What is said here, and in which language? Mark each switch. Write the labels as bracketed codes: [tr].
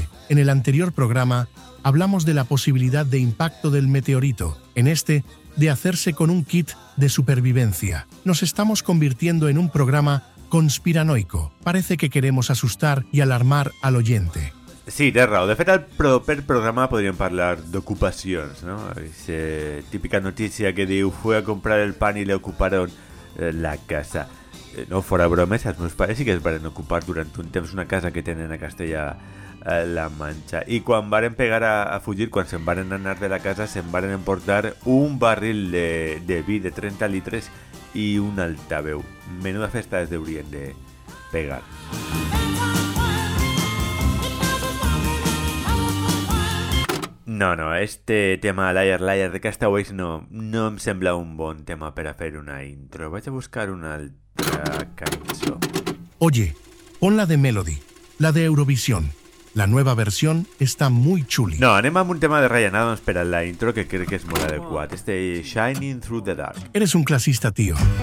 [es] En el anterior programa, hablamos de la posibilidad de impacto del meteorito, en este, de hacerse con un kit de supervivencia. Nos estamos convirtiendo en un programa conspiranoico. Parece que queremos asustar y alarmar al oyente. [ca] Sí, de raó. De fet, al proper programa podríem parlar d'ocupacions, no? És típica notícia que diu [es] fui a comprar el pan [ca] i li [es] ocuparon la casa. [ca] No fora bromes, els meus pares sí que es van ocupar durant un temps una casa que tenen a Castella la Manxa. I quan varen pegar a fugir, quan se'n varen anar de la casa, se'n varen emportar un barril de vi de 30 litres i un altaveu. Menuda festa es deurien de pegar. No, no, este tema Liar Liar de Castaways no em sembla un bon tema per a fer una intro. Vaig a buscar una altra cançó. [es] Oye, pon la de Melody, la de Eurovisión. La nueva versión está muy chuli. [ca] No, anem amb un tema de Ryan Adams per a la intro que crec que és molt adequat. Este Shining Through the Dark. [es] Eres un clasista, tío.